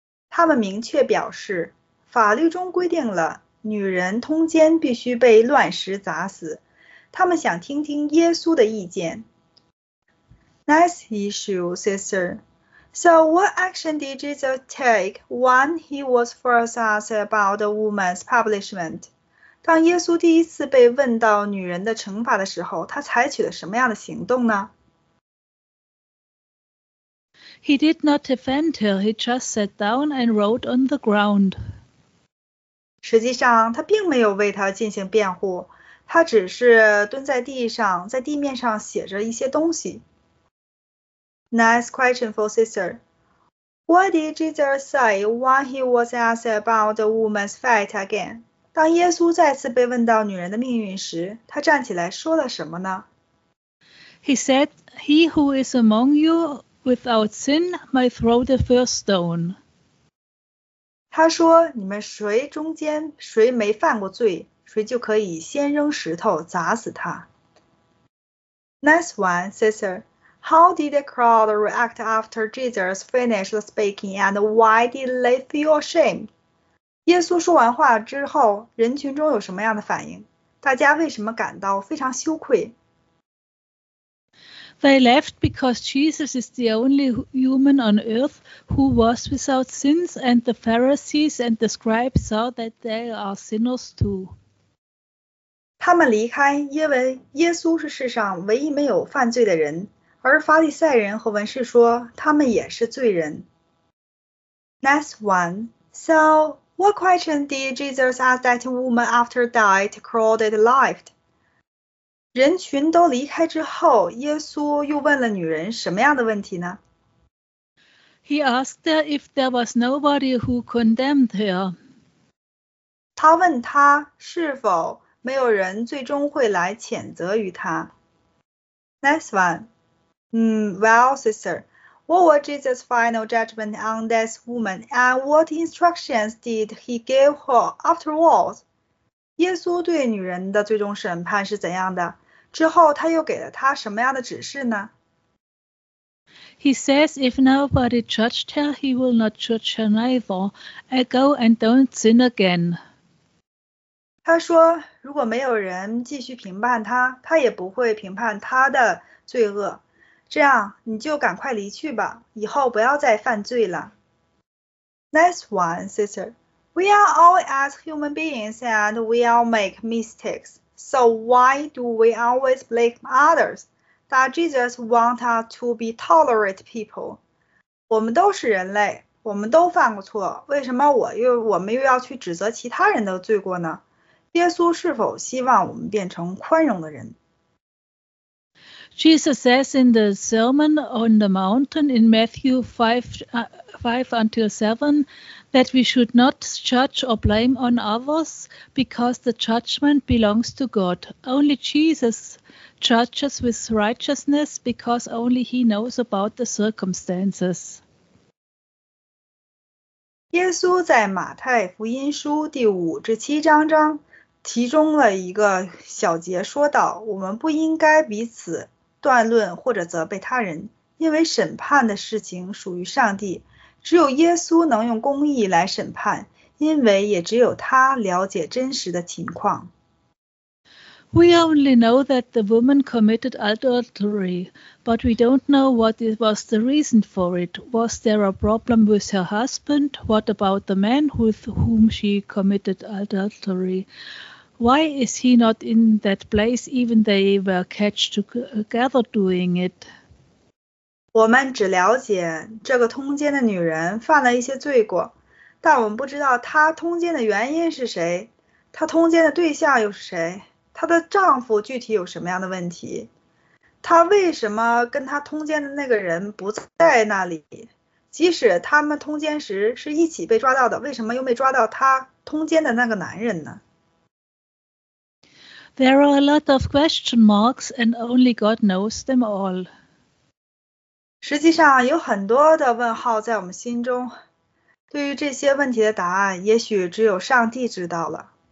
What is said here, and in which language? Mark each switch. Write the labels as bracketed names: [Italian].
[Chinese] 他们明确表示，法律中规定了女人通奸必须被乱石砸死。他们想听听耶稣的意见。 [English] Next issue, sister. So what action did Jesus take when he was first asked about the woman's punishment? [Chinese] 当耶稣第一次被问到女人的惩罚的时候，他采取了什么样的行动呢？ [English] He did not defend her, he just sat down and wrote on the ground. [Chinese] 实际上，他并没有为她进行辩护。他只是蹲在地上，在地面上写着一些东西。 [English] Next question for sister. What did Jesus say when he was asked about the woman's fate again? [Chinese] 当耶稣再次被问到女人的命运时，他站起来说了什么呢？ [English] He said, "He who is among you without sin may throw the first stone." [Chinese] 他说，你们谁中间谁没犯过罪？谁就可以先扔石头砸死他。 [English] Next one, sister. How did the crowd react after Jesus finished speaking and why did they feel ashamed? [Chinese] 耶稣说完话之后，人群中有什么样的反应？大家为什么感到非常羞愧？ [English] They left because Jesus is the only human on earth who was without sins, and the Pharisees and the scribes saw that they are sinners too. [Chinese] 他们离开，因为耶稣是世上唯一没有犯罪的人，而法利赛人和文士说他们也是罪人。 [English] Next one. So, what question did Jesus ask that woman after died, crawled, lived? [Chinese] 人群都离开之后，耶稣又问了女人什么样的问题呢？ [English] He asked her if there was nobody who condemned her. [Chinese] 他问她是否没有人最终会来谴责于她。 [English] Next one. Well, sister, what was Jesus' final judgment on this woman, and what instructions did he give her afterwards? [Chinese] 耶稣对女人的最终审判是怎样的？之后他又给了她什么样的指示呢？ [English] He says if nobody judged her, he will not judge her neither. I go and don't sin again. [Chinese] 他说如果没有人继续评判他，他也不会评判他的罪恶。这样你就赶快离去吧，以后不要再犯罪了。 [English] Next one, sister. We are all as human beings and we all make mistakes. So why do we always blame others? Does Jesus want us to be tolerant people? [Chinese] 我们都是人类，我们都犯过错，为什么我们又要去指责其他人的罪过呢？耶稣是否希望我们变成宽容的人？ [English] Jesus says in the Sermon on the Mountain in Matthew 5-7 that we should not judge or blame on others because the judgment belongs to God. Only Jesus judges with righteousness because only he knows about the circumstances. [Chinese] 耶稣在马太福音书第五至七章中提供了一个小节，说道：我们不应该彼此断论或者责备他人，因为审判的事情属于上帝，只有耶稣能用公义来审判，因为也只有他了解真实的情况。 [English] We only know that the woman committed adultery, but we don't know what it was the reason for it. Was there a problem with her husband? What about the man with whom she committed adultery? Why is he not in that place even they were catched together doing it? [Chinese] 我们只了解这个通奸的女人犯了一些罪过，但我们不知道她通奸的原因是谁，她通奸的对象又是谁。她的丈夫具体有什么样的问题？她为什么跟她通奸的那个人不在那里？即使他们通奸时是一起被抓到的，为什么又没抓到她通奸的那个男人呢？ [English] There are a lot of question marks and only God knows them all. [Chinese] 实际上有很多的问号在我们心中，对于这些问题的答案也许只有上帝知道了。